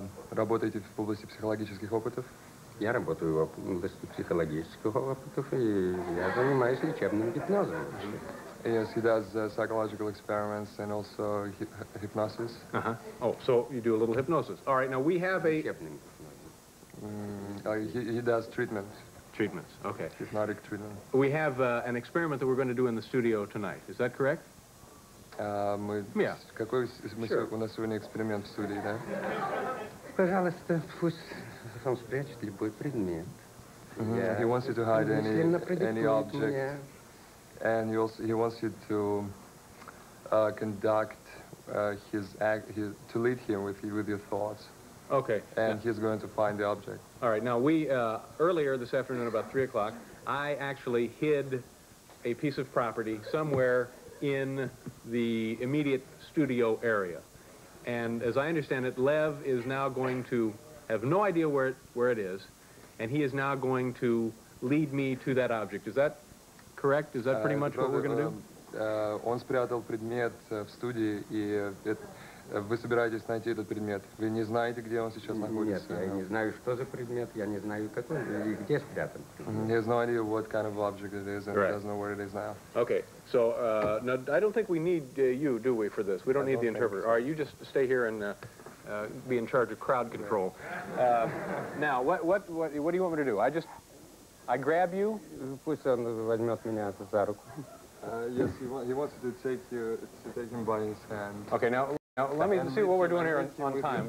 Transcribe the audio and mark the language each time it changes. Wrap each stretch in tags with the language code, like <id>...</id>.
<ru>Работаете в области психологических опытов? Я работаю в области психологических опытов, и я занимаюсь лечебным гипнозом.</ru> <en>Yes, he does psychological experiments and also hypnosis. Uh-huh. Oh, so you do a little hypnosis. All right, now we have a... He does treatments. Treatments, okay. Hypnotic treatment. We have an experiment that we're going to do in the studio tonight. Is that correct?</en> <ru>У нас сегодня эксперимент в студии, да? Пожалуйста, пусть он спрячет любой предмет.</ru> <en>He wants you to hide any object. And he wants you to conduct his act, to lead him with your thoughts. Okay. And he's going to find the object. All right. Now, earlier this afternoon, about 3 o'clock, I actually hid a piece of property somewhere in the immediate studio area. And as I understand it, Lev is now going to have no idea where it is, and he is now going to lead me to that object. Is that correct? Is that pretty much what we're going to do?</en> <ru>Он спрятал предмет в студии, и вы собираетесь найти этот предмет. Вы не знаете, где он сейчас находится? Нет, я не знаю, что за предмет, я не знаю, какой, и где спрятан.</ru> <en>He has no idea what kind of object it is, and he doesn't know where it is now. Okay. So, now, I don't think we need you, do we, for this? We don't need the interpreter. All right, you just stay here and be in charge of crowd control. Now, what do you want me to do? I grab you?</en> <ru>Пусть он возьмет меня за руку.</ru> <en>Yes, he wants you to take him by his hand. Okay, now let me see what we're doing here on time.</en>